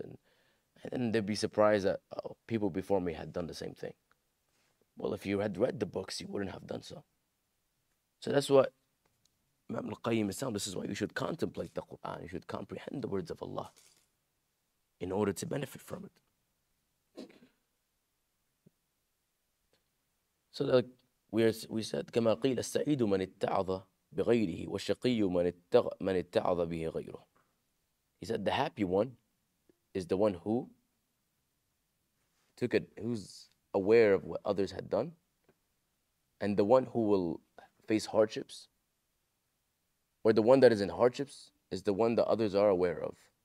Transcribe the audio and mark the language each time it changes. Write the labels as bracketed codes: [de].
[en] And then they'd be surprised that people before me had done the same thing. Well, if you had read the books, you wouldn't have done so. So that's what Imam Al-Qayyim is saying. This is why you should contemplate the Quran. You should comprehend the words of Allah in order to benefit from it. So that we said, [ar] كَمَا قِيلَ السَّعِيدُ مَنِ اتَّعَظَ بِغَيْرِهِ وَالشَّقِيُّ مَنِ اتَّعَظَ بِهِ غَيْرُهُ. [en] He said, the happy one is the one who took it, who's aware of what others had done, and the one who will face hardships, or the one that is in hardships, is the one that others are aware of.